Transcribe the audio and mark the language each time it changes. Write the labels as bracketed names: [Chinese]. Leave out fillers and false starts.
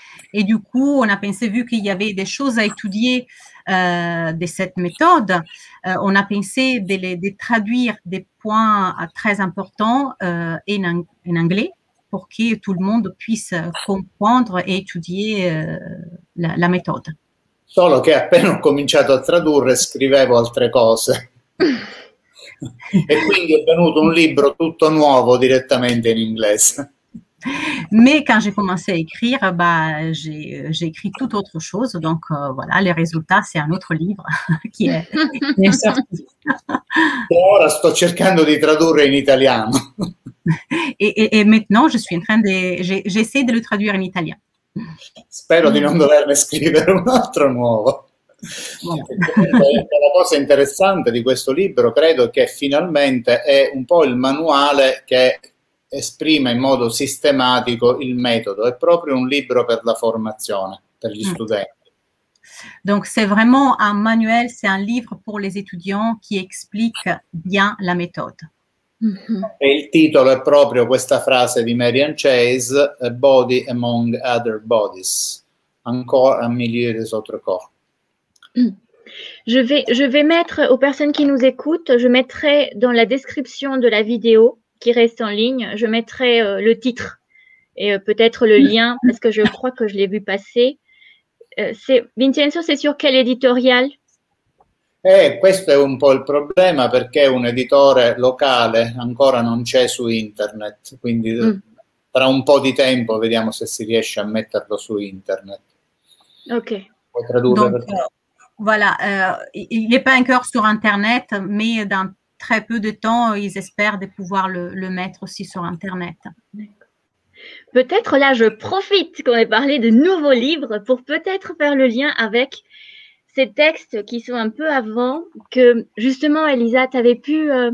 [French] Et du coup, on a pensé, vu qu'il y avait des choses à étudier de cette méthode, on a pensé de traduire des points très importants en anglais pour que tout le monde puisse comprendre et étudier la méthode. [Italian] Solo che appena ho cominciato a tradurre scrivevo altre cose. E quindi è venuto un libro tutto nuovo direttamente in inglese. [French] Mais quand j'ai commencé à écrire, j'ai écrit tout autre chose. Donc voilà, les résultats, c'est un autre livre qui est sorti. [Italian] Et ora sto cercando di tradurre in italiano. [French] Et maintenant, je suis en train j'essaie de le traduire en italien. [Italian] Spero di non doverne scrivere un altro nuovo. La cosa interessante di questo libro, credo che finalmente è un po' il manuale che esprime in modo sistematico il metodo, è proprio un libro per la formazione, per gli studenti. [French] Donc c'est vraiment un manuel, c'est un livre pour les étudiants qui explique bien la méthode. [Italian] E il titolo è proprio questa frase di Marian Chase: [English] A body among other bodies, [French] encore un milieu des autres corps. Je vais mettre aux personnes qui nous écoutent, je mettrai dans la description de la vidéo qui reste en ligne, je mettrai le titre et peut-être le lien, parce que je crois que je l'ai vu passer. Vincenzo, c'est sur quel éditorial? [Italian] Questo è un po' il problema, perché un editore locale ancora non c'è su internet, quindi tra un po' di tempo vediamo se si riesce a metterlo su internet. Ok. Puoi tradurre. [French] Donc, voilà, il n'est pas encore sur internet, mais dans très peu de temps, ils espèrent de pouvoir le mettre aussi sur internet. Peut-être là, je profite qu'on ait parlé de nouveaux livres pour peut-être faire le lien avec ces textes qui sont un peu avant, que justement, Elisa, tu avais pu...